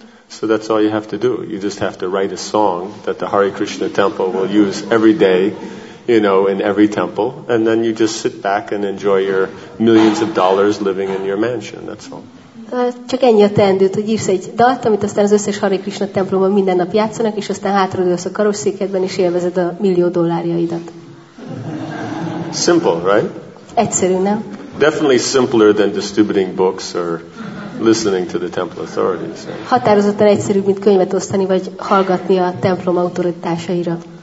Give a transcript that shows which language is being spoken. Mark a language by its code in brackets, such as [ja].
[en] So that's all you have to do. You just have to write a song that the Hare Krishna temple will use every day, you know, in every temple, and then you just sit back and enjoy your millions of dollars living in your mansion. That's all. [hu] Csak ennyi a teendőt, hogy írsz egy dalt, amit aztán az összes Hare Krishna templomban minden nap játszanak, és aztán hátradőlsz a karosszékedben, és élvezed a millió dollárjaidat. [en] Simple, right? [hu] Egyszerű, nem? [en] Definitely simpler than distributing books or listening to the temple authorities. [hu] Határozottan egyszerűbb, mint könyvet osztani, vagy hallgatni a templom autoritásaira.